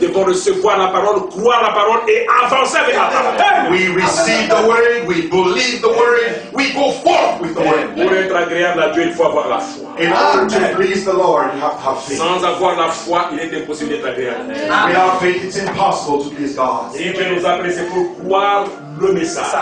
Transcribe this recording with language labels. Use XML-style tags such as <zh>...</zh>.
<fr>Devons recevoir la parole, croire la parole et avancer vers la parole.</fr> <en>We receive the word, we believe the word, we go forth with the word.</en> <fr>Pour être agréable à Dieu, il faut avoir la foi.</fr> <en>In order to please the Lord, you have to have faith.</en> <fr>Sans avoir la foi, il est impossible d'être agréable.</fr> <en>Without faith, it's impossible to please God.</en> <fr>Et Dieu nous a pressé pour croire le message.</fr>